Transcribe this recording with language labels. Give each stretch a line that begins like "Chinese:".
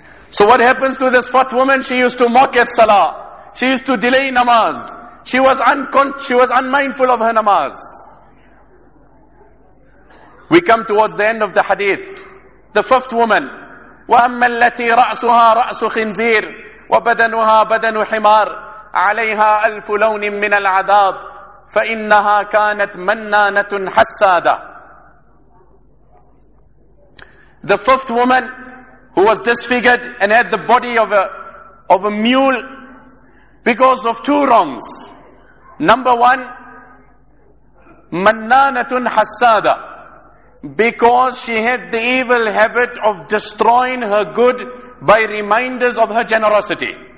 English: So what happens to this fat woman? She used to mock at salah. She used to delay namaz. She was unmindful of her namaz. We come towards the end of the hadith. The fifth woman,
Arabic: وَأَمَّا الَّتِي رَأْسُهَا رَأْسُ خِنْزِيرٍ وَبَدَنُهَا بَدَنُ حِمَارٍ عَلَيْهَا أَلْفُ لَوْنٍ مِّنَ الْعَذَابِ فَإِنَّهَا كَانَتْ مَنَّانَةٌ حَسَّادَةٌ.
English: The fifth woman, who was disfigured and had the body of a mule because of two wrongs. Number one,
Arabic: مَنَّانَةٌ حَسَّادَةٌ,
English: because she had the evil habit of destroying her good by reminders of her generosity.